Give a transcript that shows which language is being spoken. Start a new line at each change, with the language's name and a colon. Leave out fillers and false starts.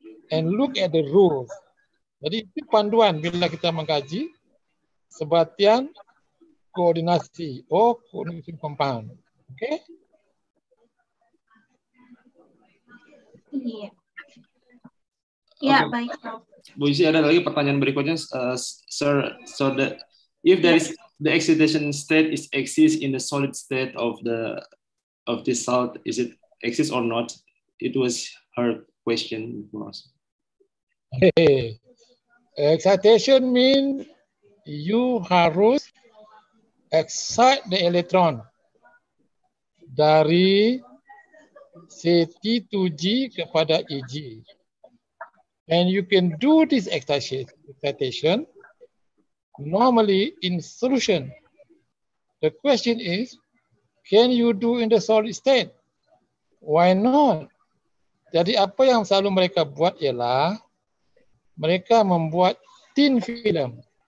English: And look at the rules.
Malay: Jadi itu panduan bila kita mengkaji sebatian koordinasi
English: or coordination compound.
Malay: Okay? Iya. Ya, baik.
Indonesian: Bu Isi, ada lagi pertanyaan berikutnya.
English: Sir, so the if there is the excitation state is exist in the solid state of the of this salt, is it exist or not? It was her question before us. Hey, excitation mean you
Malay: harus
English: excite the electron dari T2G kepada EG. And you can do this excitation normally in solution. The question is, can you do in the solid state? Why not?
Malay: Jadi apa yang selalu mereka buat ialah mereka membuat thin film.